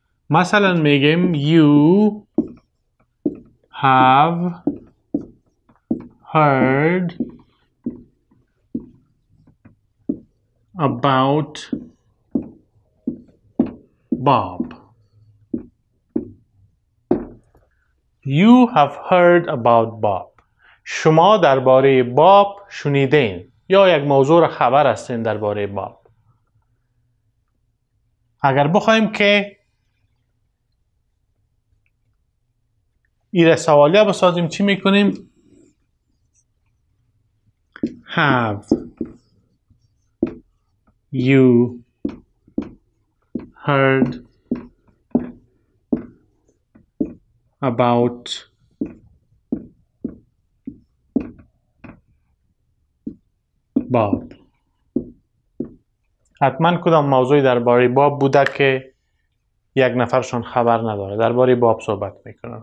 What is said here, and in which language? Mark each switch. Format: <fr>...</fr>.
<fa>مثلا میگیم</fa> <en>You have heard about Bob. You have heard about Bob.</en> <fa>شما درباره باب شنیدین، یا یک موضوع خبر هستین درباره باب. اگر بخوایم که این سوالیه بسازیم چی میکنیم؟</fa> <en>Have you heard about Bob?</en> <fa>حتما کدام موضوعی درباره باب بوده که یک نفرشون خبر نداره، درباره باب صحبت میکنن.</fa>